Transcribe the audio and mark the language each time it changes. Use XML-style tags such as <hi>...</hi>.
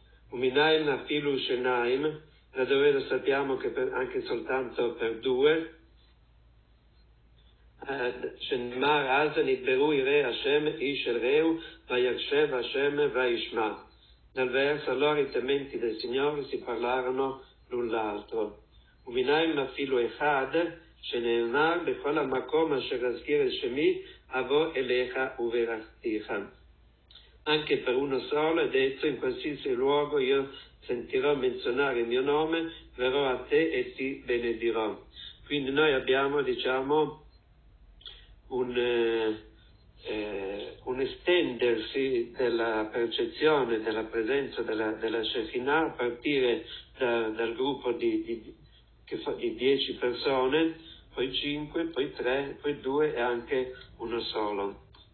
<he>Uminaim afilu shenaim,</he> <it>da dove lo sappiamo che anche soltanto per 2,</it> <he>שנאמר אז נדברו יראי השם איש אל רעהו וישב השם וישמע.</he> <it>Nel verso allora i tementi del Signore si parlarono l'un l'altro.</it> <he>ומנין אפילו אחד שנאמר בכל המקום אשר אזכיר את שמי אבוא אליך וברכתיך.</he> <it>Anche per uno solo è detto in qualsiasi luogo io sentirò menzionare il mio nome, verrò a te e ti benedirò. Quindi noi abbiamo, diciamo, un estendersi della percezione della presenza della Shekhinah a partire dal gruppo di 10 persone, poi 5, poi 3, poi 2 e anche uno solo.</it>